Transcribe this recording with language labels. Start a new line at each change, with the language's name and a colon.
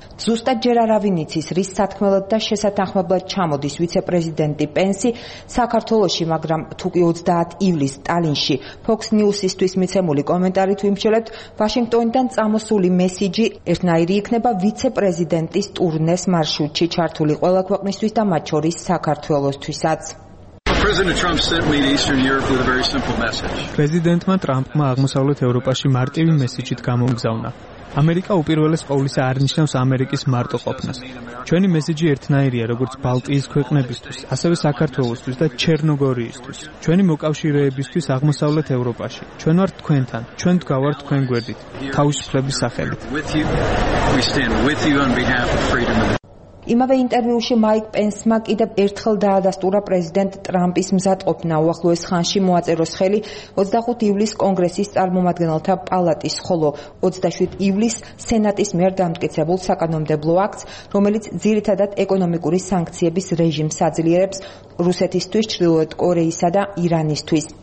Georgian: ზუსტად ჯერ არავინ იცის, რის სათქმელად და შესათანხმებლად ჩამოდის ვიცე-პრეზიდენტი პენსი საქართველოში, მაგრამ თუ კი 30 ივლისს ტალინში Fox News-ისთვის მიცემული კომენტარით ვიმსჯელებთ, ვაშინგტონიდან წამოსული მესიჯი ერთნაირი იქნება ვიცე-პრეზიდენტის ტურნეს მარშრუტში ჩართული ყველა ქვეყნისთვის და მათ შორის საქართველოსთვისაც.
English: President Trump sent me to Eastern Europe with a very simple message.
Georgian: პრეზიდენტმა ტრამპმა აღმოსავლეთ ევროპაში მარტივი მესიჯით გამომგზავნა. ამერიკა უპირველეს ყოვლისა არნიშნავს ამერიკის მარტოყოფნას. ჩვენი მესიჯი ერთნაირია, როგორც ბალტიის ქვეყნებისთვის, ასევე საქართველოსთვის და ჩერნოგორიისთვის. ჩვენი მოკავშირეებისთვის აღმოსავლეთ ევროპაში. ჩვენ ვართ თქვენთან, ჩვენ გვგავართ თქვენ გვერდით, თავისუფლების სახელით.
English: We stand with you on behalf of freedom.
Georgian: იმავე ინტერვიუში მაიკ პენსმა კიდევ ერთხელ დაადასტურა პრეზიდენტ ტრამპის მზატყოფნა უახლოეს ხანში მოაწეროს ხელი 25 ივლისს კონგრესის წარმომადგენელთა პალატის, ხოლო 27 ივლისს სენატის მიერ დამტკიცებულ საკანონმდებლო აქტს, რომელიც ძირითადად ეკონომიკური სანქციების რეჟიმს აძლიერებს რუსეთისთვის, ჩრდილოეთ კორეისა და ირანისთვის.